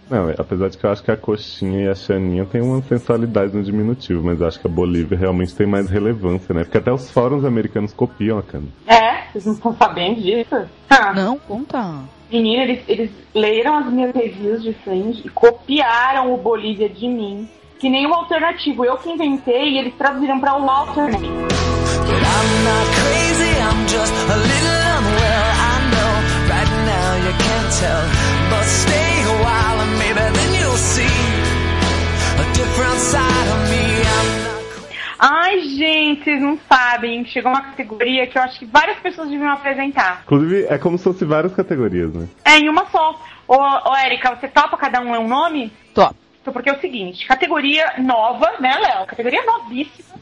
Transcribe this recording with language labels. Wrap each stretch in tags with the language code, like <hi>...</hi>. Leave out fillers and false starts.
<pt>Não, apesar de que eu acho que a Coxinha e a Xaninha tem uma sensualidade no diminutivo, mas acho que a Bolívia realmente tem mais relevância, né? Porque até os fóruns americanos copiam a Cana. É, vocês não estão sabendo disso? Não, conta. Menina, eles leram as minhas reviews de Fringe e copiaram o Bolívia de mim. Que nem o alternativo. Eu que inventei e eles traduziram pra um alternativo.</pt> <en>But I'm not crazy, I'm just a little unwell. I know right now you can't tell. But stay a while and maybe then you'll see a different side of me.</en> <pt>Ai, gente, vocês não sabem. Chegou uma categoria que eu acho que várias pessoas deviam apresentar. Inclusive, é como se fosse várias categorias, né? É, em uma só. Ô, Erika, você topa cada um ler um nome? Top. Então, porque é o seguinte, categoria nova, né, Léo? Categoria novíssima.</pt>